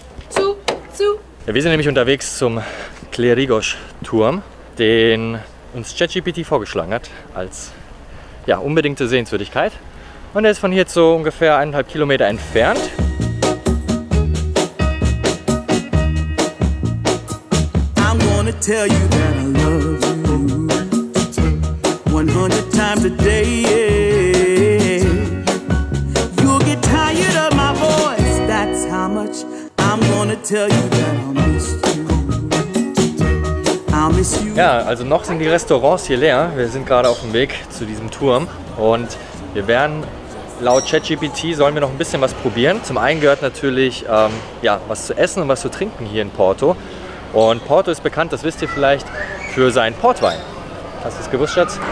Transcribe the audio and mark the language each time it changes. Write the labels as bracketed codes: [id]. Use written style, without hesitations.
[de] Zu. Ja, wir sind nämlich unterwegs zum Klerigos-Turm, den uns ChatGPT vorgeschlagen hat als ja, unbedingte Sehenswürdigkeit. Und er ist von hier so ungefähr 1,5 Kilometer entfernt. [en] I'm gonna tell you that I love you 100 times a day, yeah. You'll get tired of my voice, that's how much I'm gonna tell you that I'll miss you. I'll miss you. [de] Ja, also noch sind die Restaurants hier leer. Wir sind gerade auf dem Weg zu diesem Turm und wir werden laut ChatGPT sollen wir noch ein bisschen was probieren. Zum einen gehört natürlich ja, was zu essen und was zu trinken hier in Porto. Und Porto ist bekannt, das wisst ihr vielleicht, für seinen Portwein. Hast du es gewusst, Schatz?